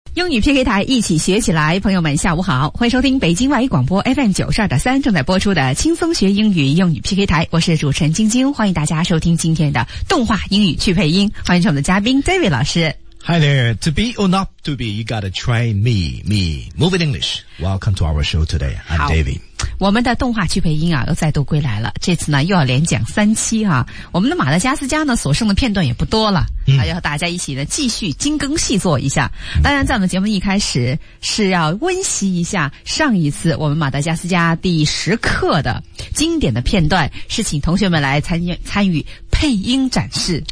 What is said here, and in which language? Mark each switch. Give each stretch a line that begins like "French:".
Chinese: 英语 PK 台一起学起来，朋友们下午好，欢迎收听北京外语广播 FM92.3 正在播出的轻松学英语英语 PK 台，我是主持人晶晶，欢迎大家收听今天的动画英语去配音，欢迎我们的嘉宾 David 老师。
English: Hi there, to be or not to be, you gotta try me, me. Moving English, welcome to our show today, I'm David.
Chinese: 我们的动画去配音啊又再度归来了，这次呢又要连讲三期啊，我们的马达加斯加呢所剩的片段也不多了，还要和大家一起呢继续精耕细作一下。当然在我们节目一开始是要温习一下上一次我们马达加斯加第十课的经典的片段，是请同学们来参与配音展示。